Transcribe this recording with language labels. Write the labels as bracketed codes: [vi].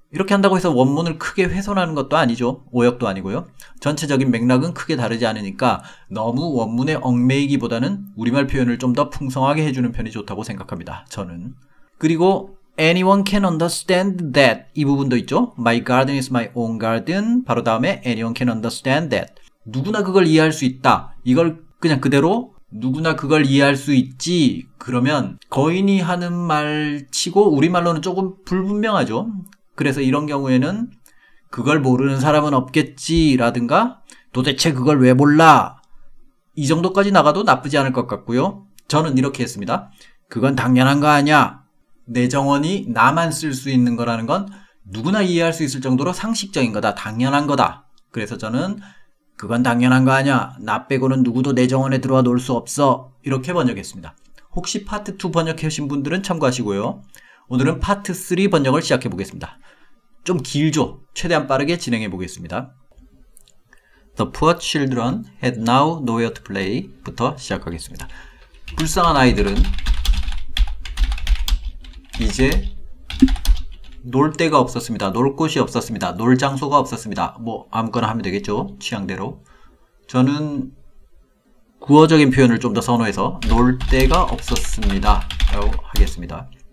[ko] 이렇게 한다고 해서 원문을 크게 훼손하는 것도 아니죠. 오역도 아니고요. 전체적인 맥락은 크게 다르지 않으니까 너무 원문에 얽매이기보다는 우리말 표현을 좀 더 풍성하게 해주는 편이 좋다고 생각합니다. 저는. 그리고 [en] Anyone can understand that [ko] 이 부분도 있죠. [en] My garden is my own garden. [ko] 바로 다음에 [en] Anyone can understand that. [ko] 누구나 그걸 이해할 수 있다. 이걸 그냥 그대로 누구나 그걸 이해할 수 있지. 그러면 거인이 하는 말 치고 우리말로는 조금 불분명하죠. 그래서 이런 경우에는 그걸 모르는 사람은 없겠지 라든가 도대체 그걸 왜 몰라? 이 정도까지 나가도 나쁘지 않을 것 같고요. 저는 이렇게 했습니다. 그건 당연한 거 아니야. 내 정원이 나만 쓸 수 있는 거라는 건 누구나 이해할 수 있을 정도로 상식적인 거다. 당연한 거다. 그래서 저는 그건 당연한 거 아니야. 나 빼고는 누구도 내 정원에 들어와 놀 수 없어. 이렇게 번역했습니다. 혹시 파트 2 번역하신 분들은 참고하시고요. 오늘은 파트 3 번역을 시작해 보겠습니다. 좀 길죠? 최대한 빠르게 진행해 보겠습니다. [en] The poor children had now nowhere to play [ko] 부터 시작하겠습니다. 불쌍한 아이들은 이제 놀 데가 없었습니다. 놀 곳이 없었습니다. 놀 장소가 없었습니다. 뭐 아무거나 하면 되겠죠. 취향대로. 저는 구어적인 표현을 좀 더 선호해서 놀 데가 없었습니다. 라고 하겠습니다.